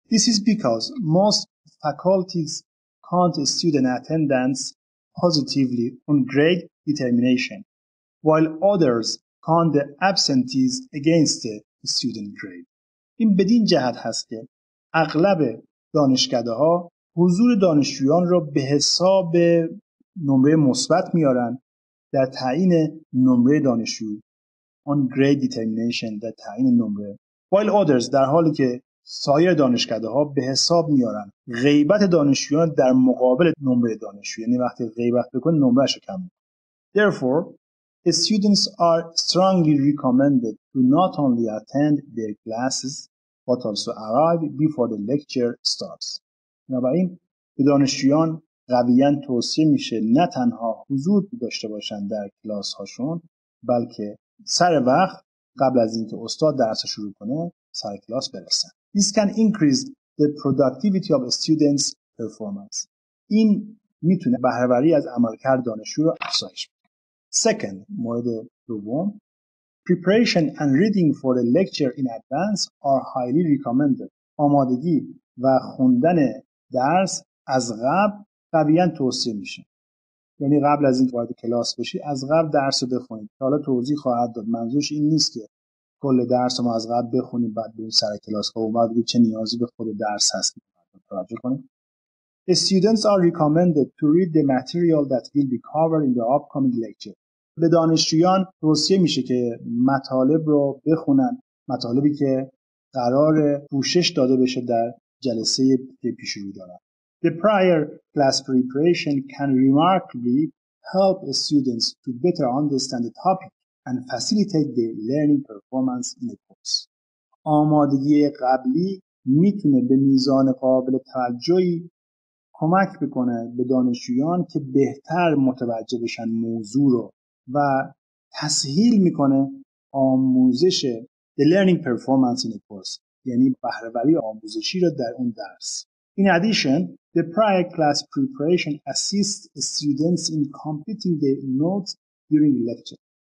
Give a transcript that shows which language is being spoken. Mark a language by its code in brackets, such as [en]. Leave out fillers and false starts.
[en] This is because most faculties count student attendance positively on grade determination. while others count the absentees against the student grade. [fa] این بدین جهت هست که اغلب دانشکده‌ها حضور دانشجویان را به حساب نمره مثبت میارن در تعیین نمره دانشجو، [en] on grade determination [fa] در تعیین نمره، [en] while others [fa] در حالی که سایر دانشکده‌ها به حساب میارن غیبت دانشجویان در مقابل نمره دانشجو، یعنی وقتی غیبت بکن نمرهش رو کم میکنه. [en] Therefore, the students are strongly recommended to not only attend their classes but also arrive before the lecture starts. [fa] بنابراین به دانشجویان قویاً توصیه میشه نه تنها حضور داشته باشن در کلاس هاشون، بلکه سر وقت قبل از اینکه استاد درس شروع کنه سر کلاس برسن. [en] This can increase the productivity of students' performance. [fa] این میتونه بهره‌وری از عملکرد دانشجو رو افزایش بده. [en] Second, [fa] مورد دوم، [en] preparation and reading for the lecture in advance are highly recommended. [fa] آمادگی و خوندن درس از قبل قویاً توصیه میشه. یعنی قبل از اینکه وارد کلاس بشی از قبل درس رو بخونید. حالا توضیح خواهد داد. منظورش این نیست که کل درس رو از قبل بخونید بعد برید سر کلاس. خب بعد ببینید چه نیازی به خود درس هست که بعد توجه کنید. [en] The students are recommended to read the material that will be covered in the upcoming lecture. [fa] به دانشجویان توصیه میشه که مطالب رو بخونن، مطالبی که قرار پوشش داده بشه در جلسه پیش رو دارن. [en] The prior class preparation can remarkably help students to better understand the topic and facilitate their learning performance in the course. [fa] آمادگی قبلی میتونه به میزان قابل توجهی کمک بکنه به دانشجویان که بهتر متوجه بشن موضوع رو و تسهیل میکنه آموزش [en] the learning performance in the course، [fa] یعنی بهره‌وری آموزشی رو در اون درس. [en] In addition, the prior class preparation assists students in completing their notes during lecture.